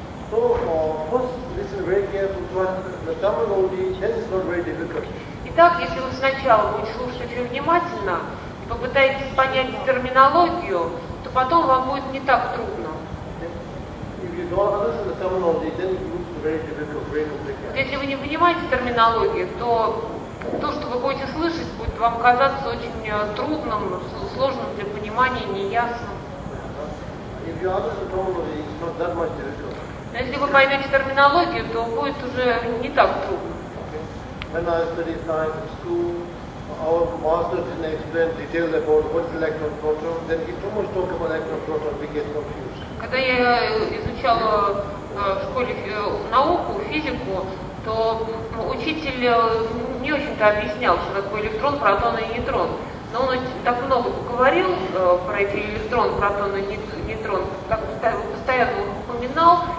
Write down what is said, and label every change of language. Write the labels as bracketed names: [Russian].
[English] So, first, listen very carefully to the terminology, then it's not very difficult. [Russian] Итак, если вы сначала будете слушать очень внимательно и попытаетесь понять терминологию, то потом вам будет не так трудно. [English] If you don't understand the terminology, then it looks very difficult, very complicated. [Russian] Если вы не понимаете терминологию, то, что вы будете слышать, будет вам казаться очень трудным, сложным для понимания, неясным. [English] If you understand the terminology, it's not that much difficult. [Russian] Если вы поймете терминологию, то будет уже не так трудно. [English] When I studied science in school, our master didn't explain details about what is electron proton. Then he too much talk about electron proton, we get confused. [Russian] Когда я изучала в школе науку, физику, то учитель не очень-то объяснял, что такое электрон, протон и нейтрон. Но он так много говорил про эти электрон, протон и нейтрон, как постоянно упоминал.